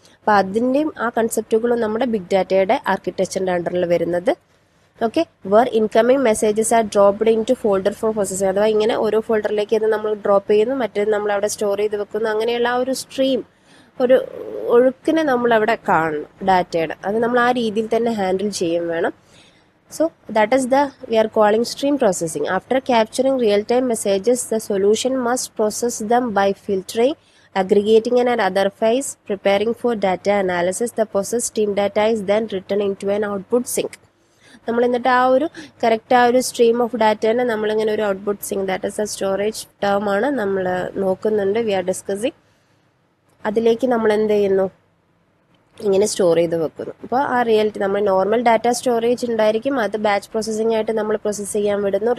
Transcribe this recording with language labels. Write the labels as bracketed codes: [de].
[ml] അപ്പോൾ അതിൻ്റെയും ആ കൺസെപ്റ്റുകളും നമ്മുടെ ബിഗ് ഡാറ്റയുടെ ആർക്കിടെക്ചറിൻ്റെ അണ്ടറിൽ വരുന്നത്. [en] Okay, where incoming messages are dropped into folder for processing. [ml] അഥവാ ഇങ്ങനെ ഓരോ ഫോൾഡറിലേക്ക് അത് നമ്മൾ ഡ്രോപ്പ് ചെയ്യുന്നു, മറ്റേത് നമ്മൾ അവിടെ സ്റ്റോർ ചെയ്ത് വെക്കുന്നു. അങ്ങനെയുള്ള ആ ഒരു സ്ട്രീം, ഒരു ഒഴുക്കിനെ നമ്മളവിടെ കാണണം ഡാറ്റയുടെ. അത് നമ്മൾ ആ രീതിയിൽ തന്നെ ഹാൻഡിൽ ചെയ്യും വേണം. [en] So that is the we are calling stream processing. After capturing real-time messages, the solution must process them by filtering, aggregating in another phase, preparing for data analysis. The processed stream data is then written into an output sink. [ml] നമ്മൾ എന്നിട്ട് ആ ഒരു correct ആ ഒരു stream of ഡാറ്റേനെ നമ്മളിങ്ങനെ ഒരു output zinc [en] that is a storage term [ml] ആണ് നമ്മൾ നോക്കുന്നുണ്ട്. [en] we are discussing [ml] അതിലേക്ക് നമ്മൾ എന്ത് ചെയ്യുന്നു, ഇങ്ങനെ സ്റ്റോർ ചെയ്ത് വെക്കുന്നു. അപ്പോൾ ആ റിയൽറ്റി നമ്മൾ നോർമൽ ഡാറ്റ സ്റ്റോറേജ് ഉണ്ടായിരിക്കും, അത് ബാച്ച് പ്രോസസ്സിംഗ് ആയിട്ട് നമ്മൾ പ്രോസസ്സ് ചെയ്യാൻ വിടുന്നു.